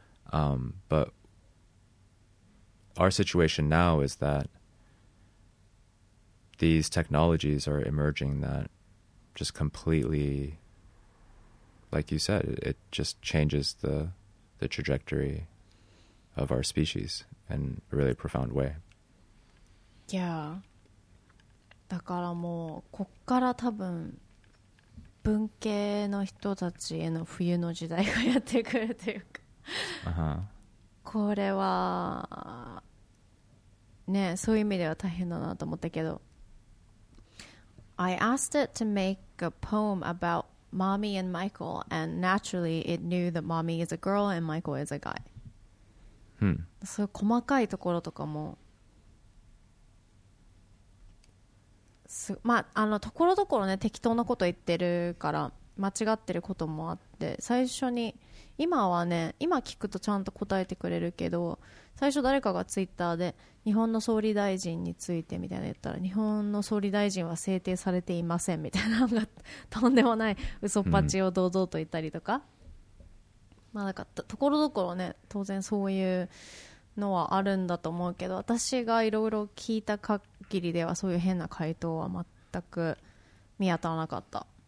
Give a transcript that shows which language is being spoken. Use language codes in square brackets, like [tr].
[en] But our situation now is that these technologies are emerging that just completely, like you said, it just changes the trajectory of our species in a really profound way. Yeah. [ja] だからもうこっから多分文系の人たちへの冬の時代がやってくるというか、これはね、そういう意味では大変だなと思ったけど。 [en] I asked it to make a poem about Mommy and Michael, and naturally it knew that Mommy is a girl and Michael is a guy. [ja] そういう細かいところとかも、まあ、ところどころね、適当なこと言ってるから、間違ってることもあって、最初に今はね、今聞くとちゃんと答えてくれるけど、最初誰かがツイッターで日本の総理大臣についてみたいなの言ったら、日本の総理大臣は制定されていませんみたいなのがとんでもない嘘っぱちを堂々と言ったりとか、うん、まあ、なんかところどころね、当然そういうのはあるんだと思うけど、私がいろいろ聞いた限りではそういう変な回答は全く見当たらなかった。